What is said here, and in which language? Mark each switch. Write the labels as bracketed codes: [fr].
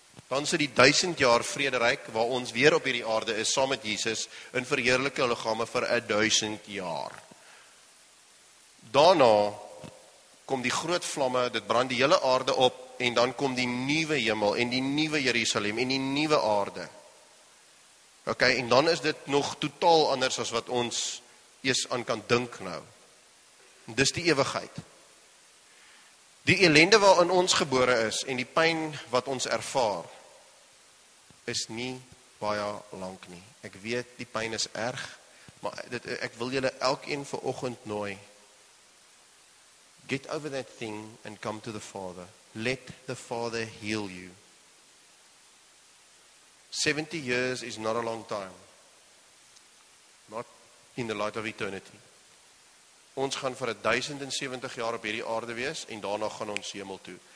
[af] Dan sit die 1000 jaar vrederyk waar ons weer op hierdie aarde is saam met Jesus in verheerlike liggame vir 1000 jaar. Daarna kom die groot vlamme, dit brand die hele aarde op en dan kom die nuwe hemel en die nuwe Jerusalem en die nuwe aarde. OK, en dan is dit nog totaal anders as wat ons eers aan kan dink nou. Dis die ewigheid. Die ellende waarin ons gebore is en die pyn wat ons ervaar is nie baie lank nie. Ek weet die pyn is erg, maar dit, ek wil julle elkeen vanoggend nooi. [en] Get over that thing and come to the Father. Let the Father heal you. 70 years is not a long time. Not in the light of eternity. [af] Ons gaan vir 1070 jaar op hierdie aarde wees en daarna gaan ons hemel toe.